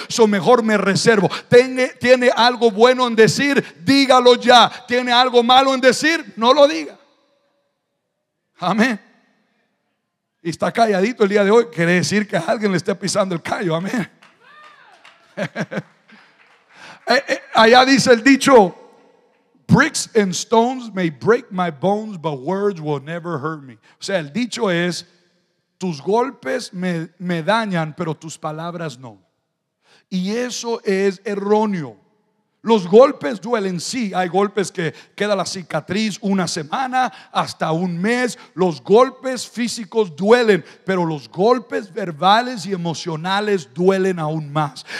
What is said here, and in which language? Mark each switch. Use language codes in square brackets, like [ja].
[es] So mejor me reservo. ¿Tiene algo bueno en decir? Dígalo ya. ¿Tiene algo malo en decir? No lo diga. Amén. Y está calladito el día de hoy, quiere decir que alguien le esté pisando el callo. Amén. Allá dice el dicho: [en] bricks and stones may break my bones, but words will never hurt me. [es] O sea, el dicho es: tus golpes me dañan, pero tus palabras no. Y eso es erróneo. Los golpes duelen, sí. Hay golpes que queda la cicatriz una semana, hasta un mes. Los golpes físicos duelen, pero los golpes verbales y emocionales duelen aún más.